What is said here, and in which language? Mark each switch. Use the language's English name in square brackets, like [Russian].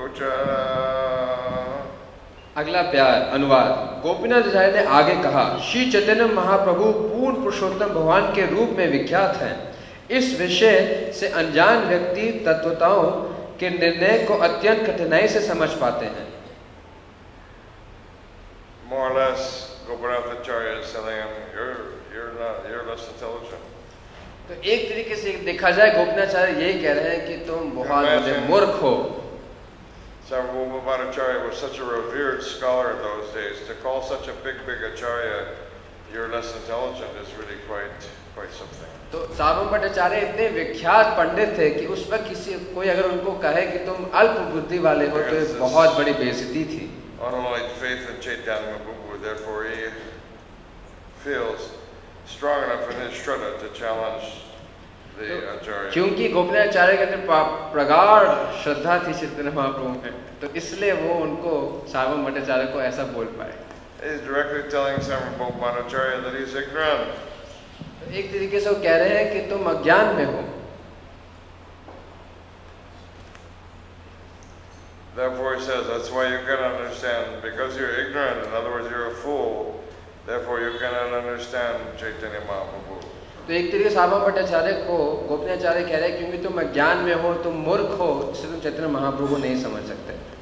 [Hindi] अगला प्यार अनुवाद। गोपीनाथ आचार्य ने आगे कहा, श्री चैतन्य महाप्रभु पूर्ण पुरुषोत्तम भगवान के रूप में विख्यात हैं। इस विषय से अनजान व्यक्ति तत्वताओं के निर्णय को अत्यंत कठिनाई से समझ पाते हैं। [English] More or less, Gopinath Acharya is telling him, you're less intelligent. [Hindi] तो एक तरीके से देखा जाए गोपीनाथ आचार्य यही कह रहे हैं कि तुम बहुत मूर्ख हो। [English] Sarvabhauma Bhattacharya was such a revered scholar in those days. To call such a big acharya, you're less intelligent, is really quite something. [Hindi] तो सार्वभौम भट्टाचार्य इतने विख्यात पंडित थे कि उस पर किसी कोई अगर उनको कहे कि तुम अल्प बुद्धि वाले हो तो बहुत बड़ी बेइज्जती थी। [English] Unlike faith in Chaitanya Mahaprabhu, therefore he feels strong enough in his shraddha to challenge. [Hindi] क्योंकि गोपीनाथाचार्य के अंदर प्रगाढ़ श्रद्धा थी चैतन्य महाप्रभु में, तो इसलिए वो उनको सार्वभौम भट्टाचार्य को ऐसा बोल पाए। एक तरीके से वो कह रहे हैं कि तुम अज्ञान में हो। [English] Therefore he says that's why you cannot understand because you're ignorant. In other words, you're a fool. Therefore you cannot understand Chaitanya Mahaprabhu. [Hindi] तो एक तरीके से सार्वभौम भट्टाचार्य को गोपीनाथाचार्य कह रहे हैं क्योंकि तुम अज्ञान में हो, तुम मूर्ख हो, इसलिए तुम चैतन्य महाप्रभु को नहीं समझ सकते।